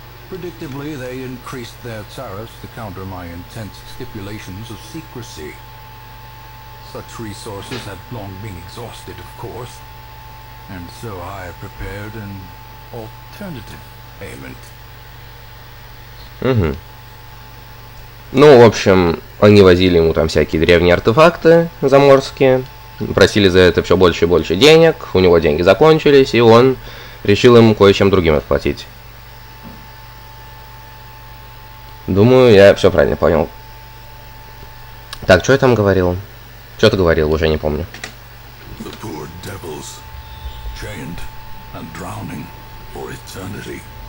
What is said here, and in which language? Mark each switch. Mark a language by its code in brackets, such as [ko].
[en] Predictably, they increased their tariffs to counter my intense stipulations of secrecy. Such resources had long been exhausted, of course, and so I prepared an alternative payment. [ru] Ну, в общем, они возили ему там всякие древние артефакты заморские, просили за это все больше и больше денег, у него деньги закончились, и он решил им кое-чем другим отплатить. Думаю, я все правильно понял. Так, что я там говорил? Что ты говорил, уже не помню. [en] The poor devils, chained and drowning for eternity.